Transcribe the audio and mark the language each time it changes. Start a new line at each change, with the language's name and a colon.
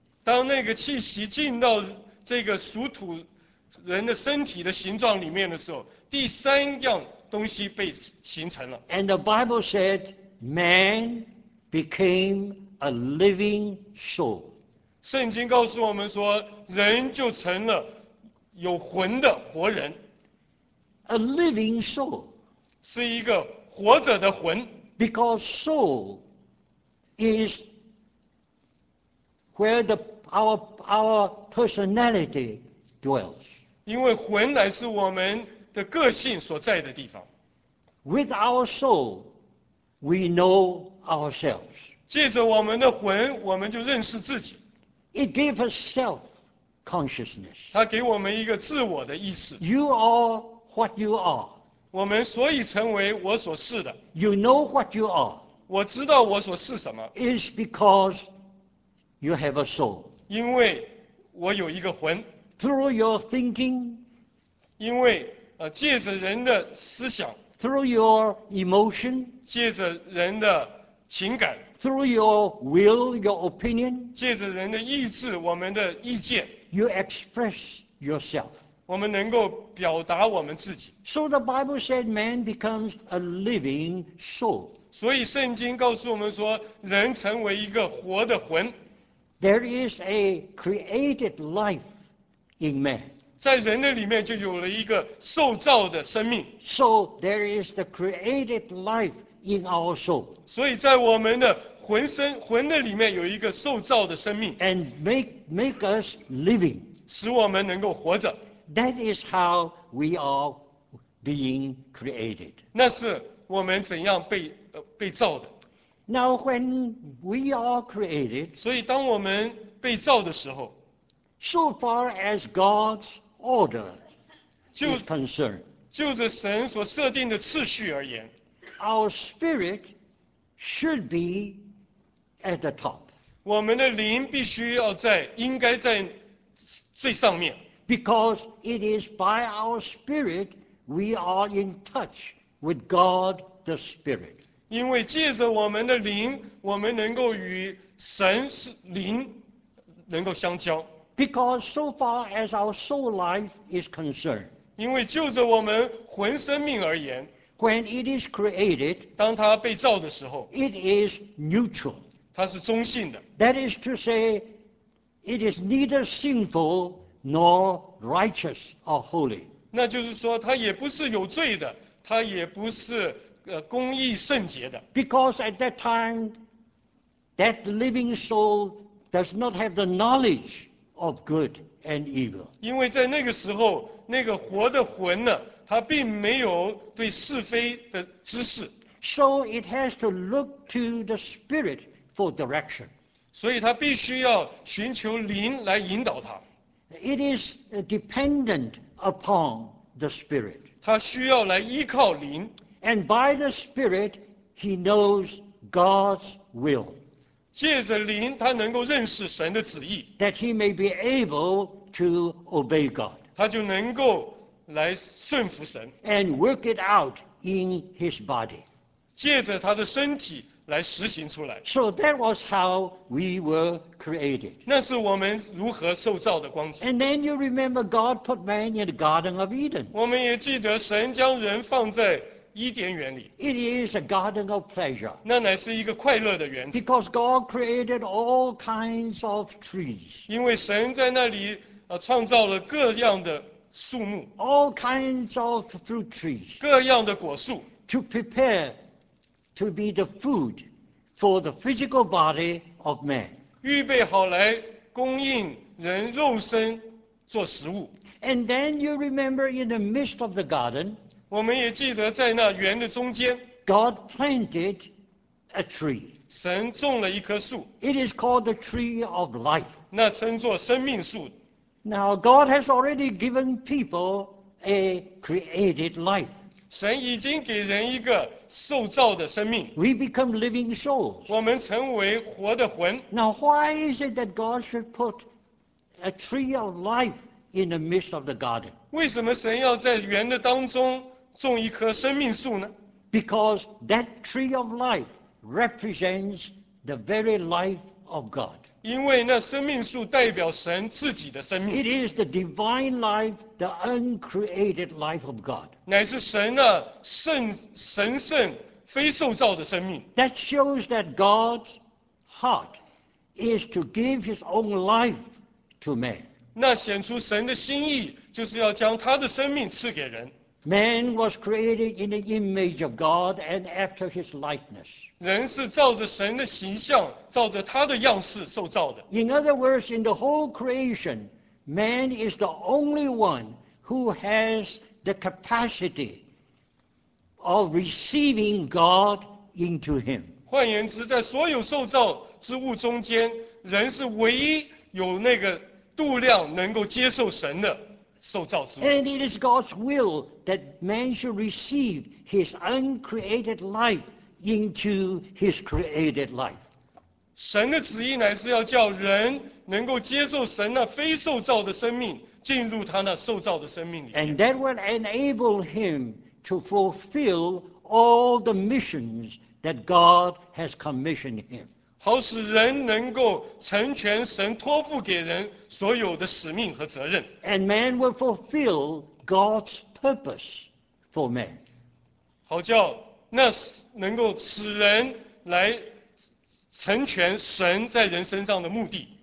Chinese: 当那个气息进到这个属土人的身体的形状里面的时候，第三样东西被形成了。
English: And the Bible said, man became a living soul.
Chinese: 圣经告诉我们说，人就成了有魂的活人。
English: A living soul
Chinese: 是一个活着的魂
English: ，because soul is where our personality dwells.
Chinese: 因为魂乃是我们的个性所在的地方。
English: With our soul, we know ourselves.
Chinese: 借着我们的魂，我们就认识自己。
English: It gives us self-consciousness.
Chinese: 它给我们一个自我的意识。
English: You are what you are.
Chinese: 我们所以成为我所是的。
English: You know what you are.
Chinese: 我知道我所是什么。
English: Is because you have a soul.
Chinese: 因为我有一个魂。
English: Through your thinking.
Chinese: 因为借着人的思想。
English: Through your emotion.
Chinese: 借着人的情感。
English: Through your will, your opinion.
Chinese: 借着人的意志，我们的意见。
English: You express yourself.
Chinese: 我们能够表达我们自己。
English: So the Bible said man becomes a living soul.
Chinese: 所以圣经告诉我们说，人成为一个活的魂。
English: There is a created life in man.
Chinese: 在人的里面就有了一个受造的生命。
English: So there is the created life in our soul.
Chinese: 所以在我们的魂的里面有一个受造的生命。
English: And make us living.
Chinese: 使我们能够活着。
English: That is how we are being created.
Chinese: 那是我们怎样被造的。
English: Now when we are created,
Chinese: 所以当我们被造的时候
English: ，so far as God's order is concerned,
Chinese: 就着神所设定的次序而言
English: ，our spirit should be at the top.
Chinese: 我们的灵必须要在，应该在最上面。
English: Because it is by our spirit we are in touch with God the Spirit.
Chinese: 因为借着我们的灵，我们能够与神灵能够相交。
English: Because so far as our soul life is concerned,
Chinese: 因为就着我们魂生命而言，
English: when it is created,
Chinese: 当它被造的时候，
English: it is neutral,
Chinese: 它是中性的。
English: That is to say, it is neither sinful nor righteous or holy.
Chinese: 那就是说，它也不是有罪的，它也不是公义圣洁的。
English: Because at that time, that living soul does not have the knowledge. Of good and evil.
Chinese: 因为在那个时候，那个活的魂呢，他并没有对是非的知识。
English: So it has to look to the spirit for direction.
Chinese: 所以他必须要寻求灵来引导他。
English: It is dependent upon the spirit.
Chinese: 他需要来依靠灵。
English: And by the spirit, he knows God's will.
Chinese: 借着灵，他能够认识神的旨意。
English: That he may be able to obey God.
Chinese: 他就能够来顺服神。
English: And work it out in his body.
Chinese: 借着他的身体来实行出来。
English: So that was how we were created.
Chinese: 那是我们如何受造的光景。
English: And then you remember God put man in the Garden of Eden.
Chinese: 我们也记得神将人放在伊甸园里。
English: It is a garden of pleasure.
Chinese: 那乃是一个快乐的园子。
English: Because God created all kinds of trees.
Chinese: 因为神在那里创造了各样的树木。
English: All kinds of fruit trees.
Chinese: 各样的果树。
English: To prepare to be the food for the physical body of man.
Chinese: 预备好来供应人肉身做食物。
English: And then you remember in the midst of the garden.
Chinese: 我们也记得在那园的中间
English: ，God planted a tree.
Chinese: 神种了一棵树。
English: It is called the tree of life.
Chinese: 那称作生命树。
English: Now God has already given people a created life.
Chinese: 神已经给人一个受造的生命。
English: We become living souls.
Chinese: 我们成为活的魂。
English: Now why is it that God should put a tree of life in the midst of the garden?
Chinese: 为什么神要在园的当中？种一棵生命树呢？
English: Because that tree of life represents the very life of God.
Chinese: 因为那生命树代表神自己的生命。
English: It is the divine life, the uncreated life of God.
Chinese: 乃是神那神圣非受造的生命。
English: That shows that God's heart is to give his own life to man.
Chinese: 那显出神的心意就是要将他的生命赐给人。
English: Man was created in the image of God and after his likeness.
Chinese: 人是照着神的形象，照着他的样式受造的。
English: In other words, in the whole creation, man is the only one who has the capacity of receiving God into him.
Chinese: 换言之，在所有受造之物中间，人是唯一有那个度量能够接受神的。
English: And it is God's will that man should receive his uncreated life into his created life.
Chinese: 神的旨意乃是要叫人能够接受神那非受造的生命，进入他那受造的生命里面。
English: And that will enable him to fulfill all the missions that God has commissioned him.
Chinese: 好使人能够成全神托付给人所有的使命和责任。
English: And man will fulfill God's purpose for man.
Chinese: 好叫那能够使人来成全神在人身上的目的。